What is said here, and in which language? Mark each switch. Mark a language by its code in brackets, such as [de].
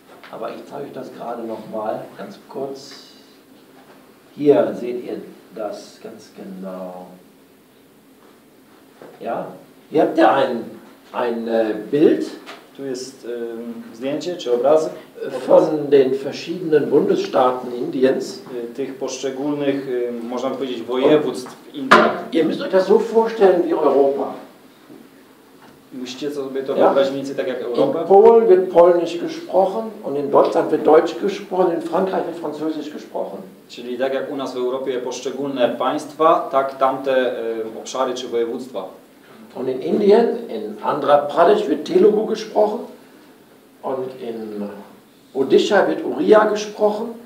[de] Aber ich zeige euch das gerade noch mal ganz kurz. Hier seht ihr das ganz genau. Ja, hier habt ihr ein Bild. [pl] Tu jest zdjęcie czy obrazek. [de] Von den verschiedenen Bundesstaaten Indiens. [pl] Tych poszczególnych, można powiedzieć, województw w Indiach. [de] Ihr müsst euch das so vorstellen wie Europa. [pl] Musicie sobie to wyobrazić mniej więcej tak jak Europa. [de] In Polen wird polnisch gesprochen und in Deutschland wird deutsch gesprochen, in Frankreich wird französisch gesprochen. [pl] Czyli tak jak u nas w Europie poszczególne państwa, tak tamte obszary czy województwa. [de] Und in Indien, in Andhra Pradesh wird Telugu gesprochen und in Odisha wird Uriya gesprochen.